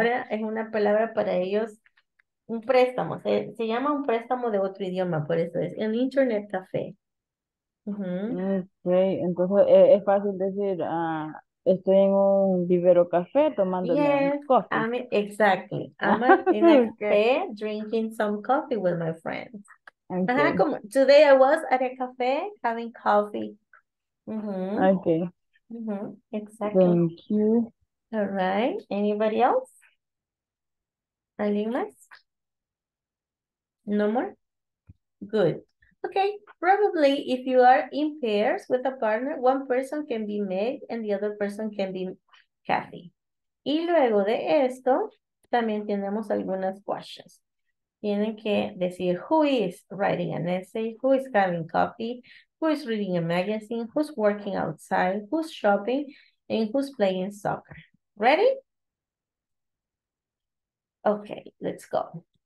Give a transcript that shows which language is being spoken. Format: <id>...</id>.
<es>es una palabra para ellos. Un préstamo, se llama un préstamo de otro idioma, por eso es el internet café.</es> <en>Uh-huh. Okay.</en> <es>Entonces es fácil decir, estoy en un vivero café tomando coffee.</es> <en>Exactly. I'm in a café drinking some coffee with my friends. Okay. Ajá, como, today I was at a café having coffee. Uh-huh. Okay. Uh-huh. Exactly. Thank you. All right. Anybody else?</en> <es>¿Alguien más?</es> <en>No more? Good. Okay, probably if you are in pairs with a partner, one person can be Meg and the other person can be Kathy.</en> <es>Y luego de esto, también tenemos algunas questions. Tienen que decir</es> <en>who is writing an essay, who is having coffee, who is reading a magazine, who's working outside, who's shopping, and who's playing soccer. Ready? Okay, let's go.</en>